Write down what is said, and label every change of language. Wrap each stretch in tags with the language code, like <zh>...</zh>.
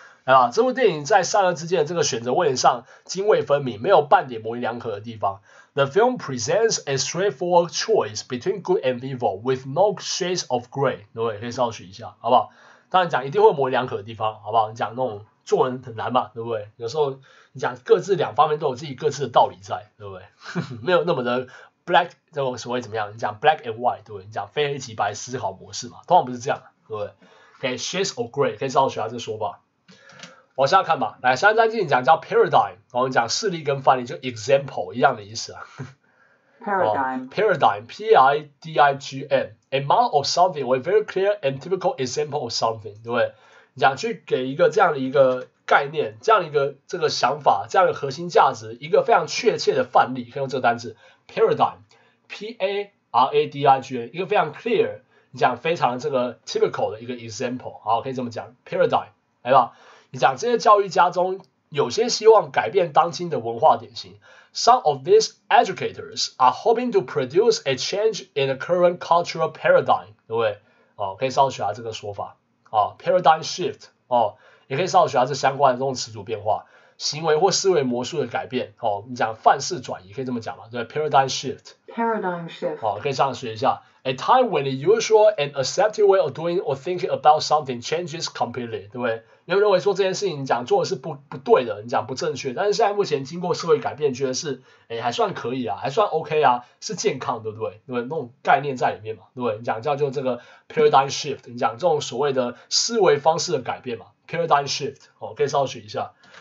<zh>啊，这部电影在善恶之间的这个选择问题上泾渭分明，没有半点模棱两可的地方。</zh> <en>The film presents a straightforward choice between good and evil with no shades of grey，</en> <zh>对不对？可以稍许一下，好不好？当然讲一定会模棱两可的地方，好不好？你讲那种做人很难嘛，对不对？有时候你讲各自两方面都有自己各自的道理在，对不对？没有那么的 black， 这个所谓怎么样？你讲</zh> <en>black and white，</en> <zh>对不对？你讲非黑即白思考模式嘛，通常不是这样，对不对？ Okay，</zh> <en>shades of grey，</en> <zh>可以稍微学一下这说法。往下看吧，来，下一段进行讲叫 paradigm， 然后讲事例跟范例，就 example 一样的意思啊。 Paradigm，</zh> <en>P-I-D-I-G-M， a model of something with very clear and typical example of something，</en> <zh>对不对？你讲去给一个这样的一个概念，这样一个这个想法，这样的核心价值，一个非常确切的范例，可以用这个单字 paradigm， P-A-R-A-D-I-G-M， 一个非常 clear， 你讲非常这个 typical 的一个 example， 好，可以这么讲 paradigm， 来吧。你讲这些教育家中有些希望改变当今的文化典型。</zh> <en>Some of these educators are hoping to produce a change in the current cultural paradigm，</en> <zh>对不对？哦，可以稍微学一下这个说法啊 ，paradigm shift， 哦，也可以稍微学一下这相关的这种词组变化，行为或思维模式的改变，哦，你讲范式转移可以这么讲吗？</zh> <en>对 ，paradigm shift， paradigm shift，</en> <zh>哦，可以这样学一下。</zh> <en>A time when the usual and accepted way of doing or thinking about something changes completely，</en> <zh>对不对？你会认为说这件事情你讲做的是 不对的，你讲不正确，但是现在目前经过社会改变，觉得是哎还算可以啊，还算 OK 啊，是健康，对不对？对不对？那种概念在里面嘛，对不对？你讲叫做这个 paradigm shift， 你讲这种所谓的思维方式的改变嘛 ，paradigm shift， 哦，可以稍微学一下。</zh>